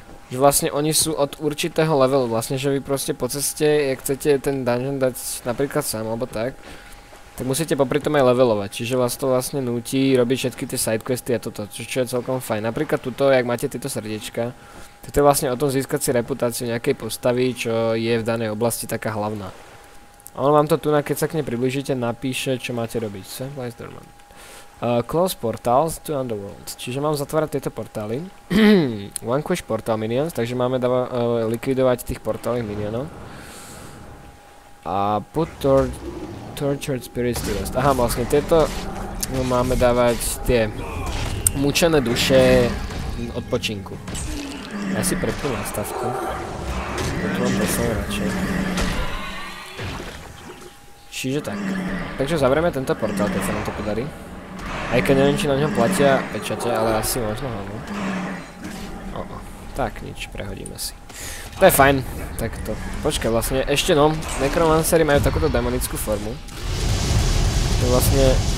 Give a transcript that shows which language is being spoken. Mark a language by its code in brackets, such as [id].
[sk] Že vlastne oni sú od určitého levelu, vlastne že vy proste po ceste, jak chcete ten dungeon dať napríklad sám, alebo tak, tak musíte popri tom aj levelovať, čiže vás to vlastne núti robiť všetky tie sidequesty a toto, čo je celkom fajn. Napríklad tuto, jak máte tieto srdiečka, tak to je vlastne o tom získať si reputáciu nejakej postavy, čo je v danej oblasti taká hlavná. A on vám to tu, keď sa k nej približíte, napíše, čo máte robiť. [en] Close portals to underworld. [sk] Čiže mám zatvárať tieto portály. [en] Vanquish portal minions, [sk] takže máme likvidovať tých portály minionov. [en] A put tortured spirits to rest. [sk] Aha, vlastne tieto máme dávať tie mučené duše odpočinku. Ja si prepnú nastavku. Toto mám poslane radšej. Čiže tak. Takže zavrieme tento portál, keď sa nám to podarí. Aj keď neviem, či na ňom platia pečate, ale asi možno ho, no. O-o. Tak nič, prehodíme si. To je fajn. Tak to, počkaj, vlastne ešte no, necromancery majú takúto demonickú formu. To vlastne...